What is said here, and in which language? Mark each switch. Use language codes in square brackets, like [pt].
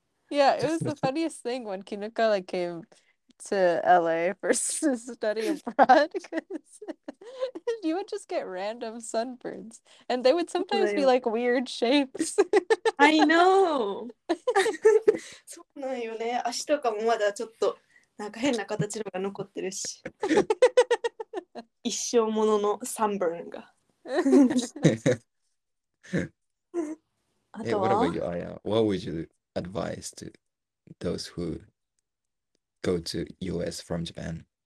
[en] Yeah, it was the funniest thing when Kinuka like came to LA for study abroad, because you would just get random sunburns and they would sometimes be like weird shapes. I know. [ja] そうなんよね。足とかもまだちょっとなんか変な形のが残ってるし。一生もののサンブーンが。 [en] Hey, what about you, Aya? What would you advise to those who go to US from Japan?